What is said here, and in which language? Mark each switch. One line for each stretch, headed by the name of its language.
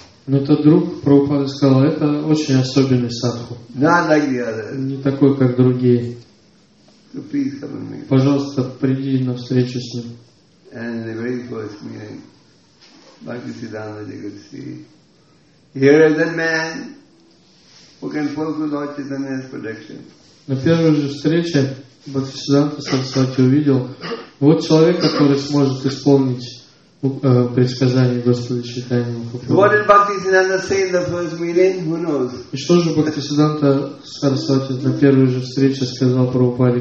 Russian: Но этот друг Прабхупада сказал, это очень особенный садху.
English: Not like the others.
Russian: Не такой, как другие.
English: So please come and meet.
Russian: Пожалуйста, приди на встречу с ним.
English: And the very first meeting. Bhaktisiddhanta, you could see. Here is a man who can fulfill Lord Chaitanya's prediction.
Russian: На первой же встрече Бхактисиддханта Сарасвати увидел, вот человек, который сможет исполнить предсказание Господа Чайтаньи Махапрабху.
English: What did Bhaktisiddhanta say in the first meeting? Who knows?
Russian: И что же Бхактисиддханта Сарасвати на первой же встрече сказал Прабхупаде?